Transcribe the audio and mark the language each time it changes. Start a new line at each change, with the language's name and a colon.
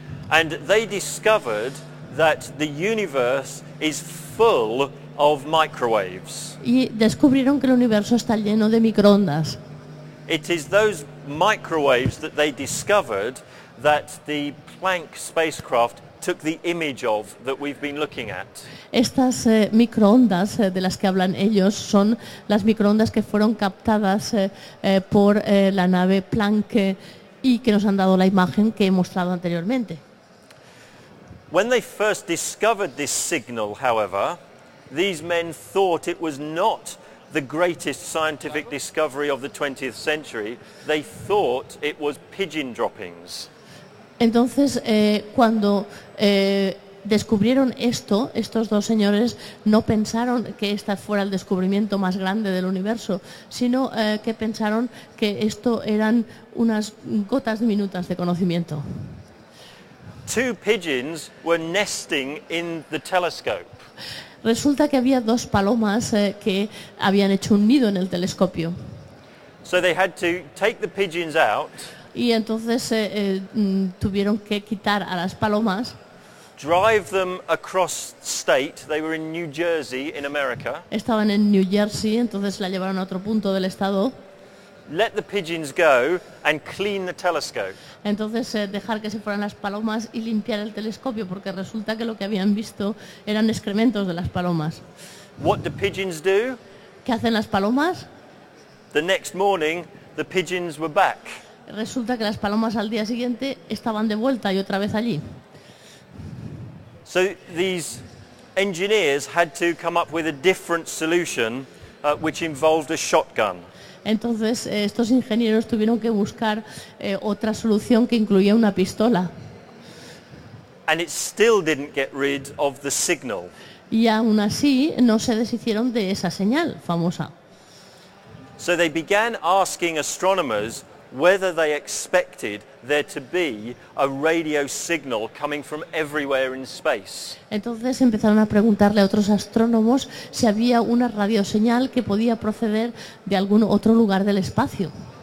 English: And they discovered that the universe is full of microwaves.
Spanish: Y descubrieron que el universo está lleno de microondas.
English: It is those microwaves that they discovered that the Planck spacecraft took the image of that we've been looking at.
Spanish: Estas microondas de las que hablan ellos son las microondas que fueron captadas por la nave Planck y que nos han dado la imagen que he mostrado anteriormente.
English: When they first discovered this signal, however, these men thought it was not the greatest scientific discovery of the 20th century. They thought it was pigeon droppings.
Spanish: Entonces, cuando descubrieron esto, estos dos señores no pensaron que este fuera el descubrimiento más grande del universo, sino que pensaron que esto eran unas gotas diminutas de conocimiento.
English: Two pigeons were nesting in the telescope.
Spanish: Resulta que había dos palomas que habían hecho un nido en el telescopio.
English: So they had to take the pigeons out.
Spanish: Y entonces tuvieron que quitar a las palomas.
English: Drive them across state. They were in New Jersey in America.
Spanish: Estaban en New Jersey, entonces la llevaron a otro punto del estado.
English: Let the pigeons go and clean the telescope.
Spanish: Entonces dejar que se fueran las palomas y limpiar el telescopio porque resulta que lo que habían visto eran excrementos de las palomas.
English: What do pigeons do?
Spanish: ¿Qué hacen las palomas?
English: The next morning, the pigeons were back.
Spanish: Resulta que las palomas al día siguiente estaban de vuelta y otra vez allí.
English: So these engineers had to come up with a different solution, which involved a shotgun.
Spanish: Entonces estos ingenieros tuvieron que buscar otra solución que incluía una pistola.
English: And it still didn't get rid of the signal.
Spanish: Y aún así no se deshicieron de esa señal famosa.
English: So they began asking astronomers, whether they expected there to be a radio signal coming from everywhere in space.
Spanish: Entonces empezaron a preguntarle a otros astrónomos si había una radioseñal que podía proceder de algún otro lugar del espacio.